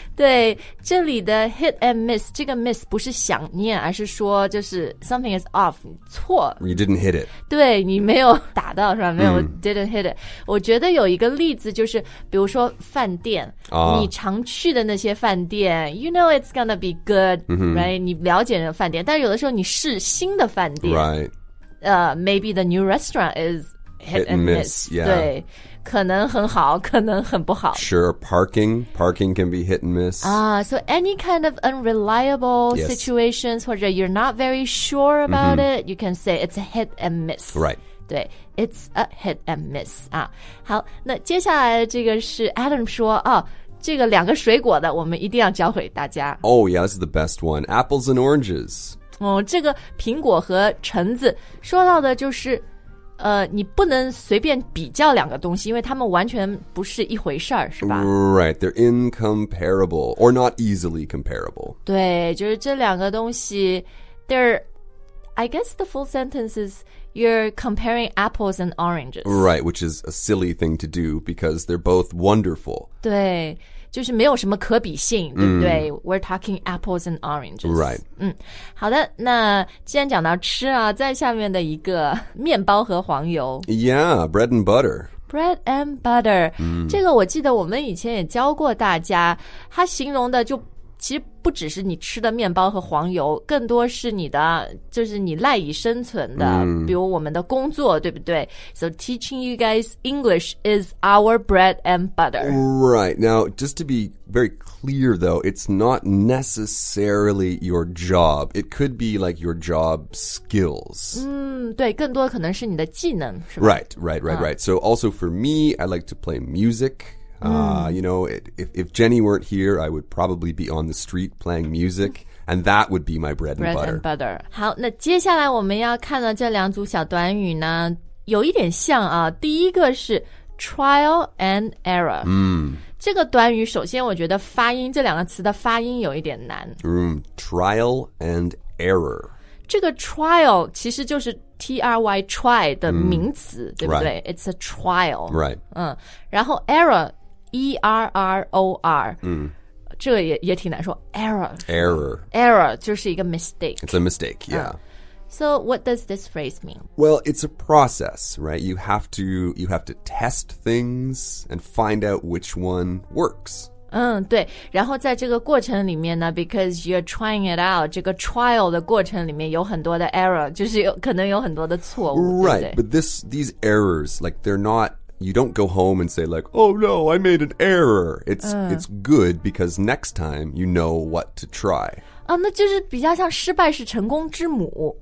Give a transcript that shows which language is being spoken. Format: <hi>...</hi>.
<zh>对，这里的 hit and miss， 这个 miss 不是想念，而是说就是</zh> <en>something is off，</en> <zh>错。</zh> <en>You didn't hit it.</en> <zh>对，你没有打到是吧？没有、</zh> <en>didn't hit it。</en> <zh>我觉得有一个例子就是，比如说饭店， 你常去的那些饭店，</zh> <en>you know it's gonna be good,、right?</en> <zh>你了解的饭店，但是有的时候你试新的饭店，</zh> <en>right. Maybe the new restaurant is hit and miss. Yeah.</en> <zh>对，可能很好，可能很不好。</zh> <en>Sure, parking can be hit and miss. So any kind of unreliable situations,</en> <zh>或者</zh> <en>you're not very sure about it, you can say it's a hit and miss. Right.</en> <zh>对 ，</zh> <en>it's a hit and miss.</en> <zh>啊，好，那接下来这个是 Adam 说哦。这个两个水果的，我们一定要教会大家。</zh> <en>Oh yeah, this is the best one. Apples and oranges.</en> <zh>这个苹果和橙子，说到的就是，你不能随便比较两个东西，因为它们完全不是一回事儿，是吧</zh> <en>？Right, they're incomparable or not easily comparable.</en> <zh>对，就是这两个东西</zh> <en>，they're. I guess the full sentence is. You're comparing apples and oranges. Right, which is a silly thing to do because they're both wonderful.</en> <zh>对，就是没有什么可比性，对不对？</zh> <en>We're talking apples and oranges. Right.</en> <zh>好的，那既然讲到吃啊，在下面的一个面包和黄油。</zh> <en>Yeah, bread and butter. Bread and butter.</en> <zh>这个我记得我们以前也教过大家，它形容的就其实不不只是你吃的面包和黄油，更多是你的，就是你赖以生存的，比如我们的工作，对不对？</zh> <en>So teaching you guys English is our bread and butter. Right. Now, just to be very clear, though, it's not necessarily your job. It could be like your job skills.</en> <zh>对，更多可能是你的技能，是吧？</zh> <en>Right, right, right, right. So also for me, I like to play music. You know, if Jenny weren't here, I would probably be on the street playing music, and that would be my bread and butter.</en> <zh>好，那接下来我们要看的这两组小短语呢，有一点像啊。第一个是 trial and error。这个短语首先我觉得发音，这两个词的发音有一点难。</zh> <en>Trial and error。</en> <zh>这个 trial 其实就是T-R-Y, try 的名词、对不对、</zh> <en>right. It's a trial. Right.、</en> <zh>然后 error, E-R-R-O-R.、这个 也挺难说 error.</zh> <en>Error.</en> <zh>Error 就是一个 mistake.</zh> <en>It's a mistake, yeah.、 So what does this phrase mean? Well, it's a process, right? You have to test things and find out which one works.</en> <zh>对，然后在这个过程里面呢</zh> <en>because you're trying it out,</en> <zh>这个 trial 的过程里面有很多的 error, 就是有可能有很多的错误</zh> <en>Right,</en> <zh>对不对</zh> <en>but these errors, like they're not, you don't go home and say like, oh no, I made an error. It's good because next time you know what to try.</en> <zh>那就是比较像失败是成功之母</zh>